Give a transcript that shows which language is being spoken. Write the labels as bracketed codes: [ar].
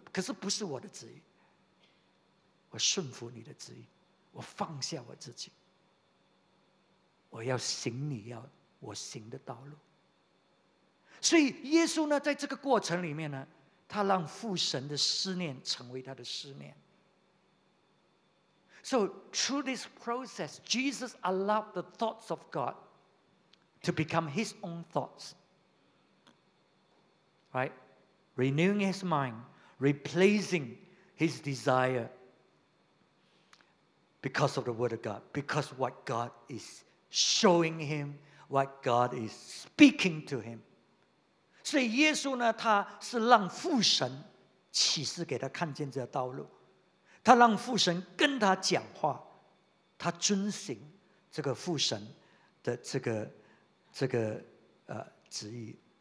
[zh] 可是不是我的旨意，我顺服你的旨意，我放下我自己，我要行你要我行的道路。” 所以耶稣呢，在这个过程里面呢，他让父神的思念成为他的思念。 [en] So through this process, Jesus allowed the thoughts of God to become his own thoughts. Right? Renewing his mind, replacing his desire because of the word of God, because what God is showing him, what God is speaking to him. [zh] 所以耶稣呢，他是让父神启示给他看见这道路，他让父神跟他讲话，他遵行这个父神的这个旨意。